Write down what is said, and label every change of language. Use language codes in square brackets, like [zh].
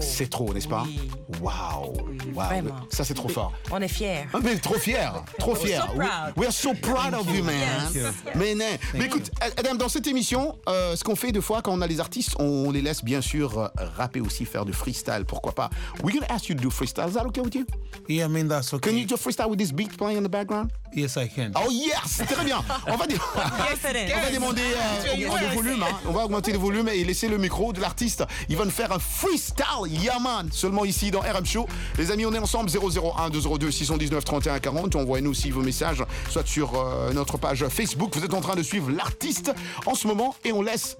[fr] C'est trop, n'est-ce pas? Waouh! [en] Wow. [fr] Oui, wow. Vraiment. Ça, c'est trop fort. On est fiers. Ah, mais trop fiers! Trop fiers! [en] We're so proud of you, man! Yes. [fr] Mais, non. Mais écoute, Adam, dans cette émission, ce qu'on fait deux fois quand on a les artistes, on les laisse bien sûr rapper aussi, faire du freestyle, pourquoi pas. [en] We're going to ask you to do freestyle. Is that okay with you? Yeah, I mean, that's okay. Can you do freestyle with this beat playing in the background? Yes, I can. [fr] Oh, yes! Très bien! On va demander le volume. Hein. On va augmenter le volume et laisser le micro de l'artiste. Il va nous faire un freestyle. Yaman, seulement ici dans RM Show. Les amis, on est ensemble. 001-202-619-3140. Envoyez-nous aussi vos messages, soit sur notre page Facebook. Vous êtes en train de suivre l'artiste en ce moment et on laisse.